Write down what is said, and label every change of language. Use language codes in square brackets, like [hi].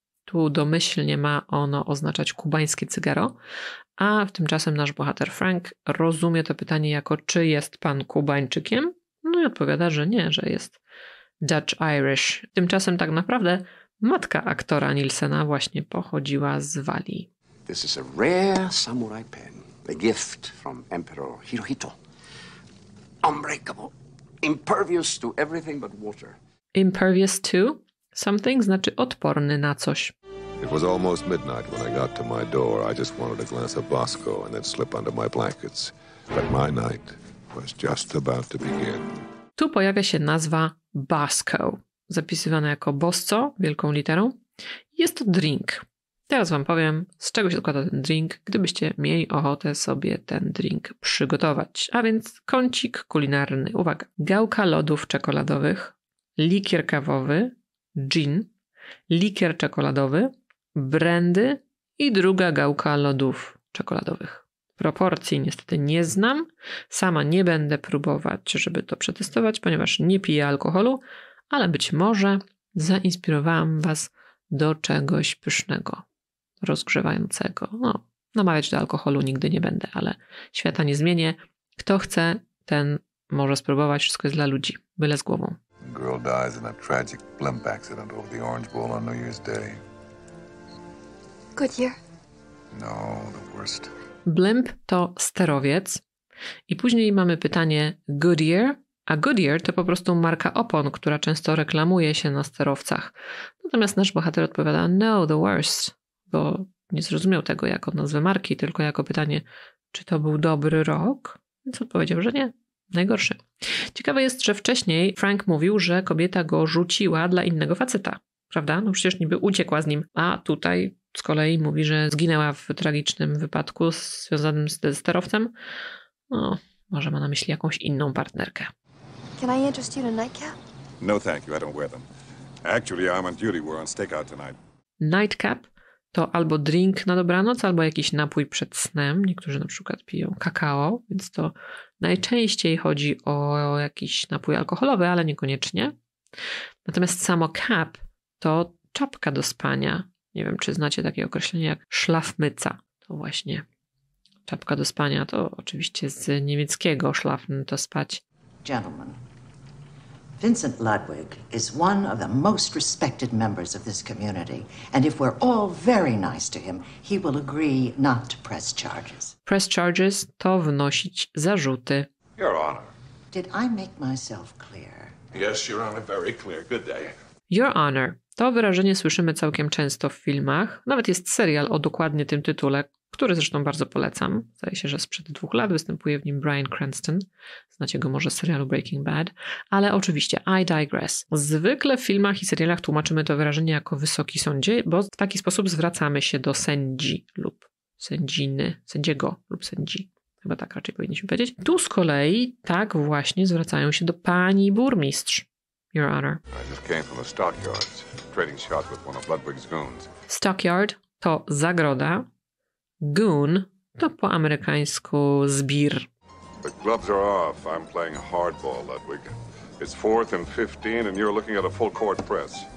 [pl] Tu domyślnie ma ono oznaczać kubańskie cygaro. A tymczasem nasz bohater Frank rozumie to pytanie jako, czy jest pan Kubańczykiem? No i odpowiada, że nie, że jest Dutch Irish. Tymczasem tak naprawdę matka aktora Nielsena właśnie pochodziła z Walii. [en] This is a rare samurai pen, a gift from Emperor Hirohito. Unbreakable, impervious to everything but water. Impervious to something [pl] znaczy odporny na coś. [en] It was almost midnight when I got to my door. I just wanted a glass of Bosco and then slip under my blankets. But my night was just about to begin. [pl] Tu pojawia się nazwa Bosco, zapisywane jako Bosco, wielką literą. Jest to drink. Teraz wam powiem, z czego się składa ten drink, gdybyście mieli ochotę sobie ten drink przygotować. A więc kącik kulinarny. Uwaga. Gałka lodów czekoladowych, likier kawowy, gin, likier czekoladowy, brandy i druga gałka lodów czekoladowych. proporcji niestety nie znam. Sama nie będę próbować, żeby to przetestować, ponieważ nie piję alkoholu, ale być może zainspirowałam Was do czegoś pysznego, rozgrzewającego. No, namawiać do alkoholu nigdy nie będę, ale świata nie zmienię. Kto chce, ten może spróbować. Wszystko jest dla ludzi. Byle z głową. [en] Girl dies in a tragic blimp accident over the Orange Bowl on New Year's Day. Good year. No, the worst. [pl] Blimp to sterowiec. I później mamy pytanie Goodyear. A Goodyear to po prostu marka opon, która często reklamuje się na sterowcach. Natomiast nasz bohater odpowiada [en] no, the worst, [pl] bo nie zrozumiał tego jako nazwy marki, tylko jako pytanie, czy to był dobry rok? Więc odpowiedział, że nie. Najgorszy. Ciekawe jest, że wcześniej Frank mówił, że kobieta go rzuciła dla innego faceta. Prawda? No przecież niby uciekła z nim. A tutaj z kolei mówi, że zginęła w tragicznym wypadku związanym z sterowcem. No, może ma na myśli jakąś inną partnerkę. [en] Can I interest you in a nightcap? No, thank you. I don't wear them. Actually, I'm on duty. We're on stakeout tonight. [pl] Nightcap to albo drink na dobranoc, albo jakiś napój przed snem. Niektórzy na przykład piją kakao, więc to najczęściej chodzi o jakiś napój alkoholowy, ale niekoniecznie. Natomiast samo cap to czapka do spania. Nie wiem, czy znacie takie określenie jak szlafmyca. To właśnie czapka do spania to oczywiście z niemieckiego szlafm to spać. [en] Gentlemen, Vincent Ludwig is one of the most respected members of this community. And if we're all very nice to him, he will agree not to press charges. Press charges [pl] to wnosić zarzuty. [en] Your Honor. Did I make myself clear? Yes, Your Honor, very clear. Good day. Your Honor. [pl] To wyrażenie słyszymy całkiem często w filmach. Nawet jest serial o dokładnie tym tytule, który zresztą bardzo polecam. Zdaje się, że sprzed 2 lat występuje w nim Bryan Cranston. Znacie go może z serialu Breaking Bad. Ale oczywiście, [en] I digress. [pl] Zwykle w filmach i serialach tłumaczymy to wyrażenie jako wysoki sądzie, bo w taki sposób zwracamy się do sędzi lub sędziny, sędziego lub sędzi. Chyba tak raczej powinniśmy powiedzieć. Tu z kolei tak właśnie zwracają się do pani burmistrz. [en] Your Honor. I just came from the stockyards, trading shots with one of Ludwig's goons. [pl] Stockyard to zagroda. Goon to po amerykańsku zbir. [en] The gloves are off. I'm playing hardball, Ludwig. It's 4th and 15 and you're looking at a full court press.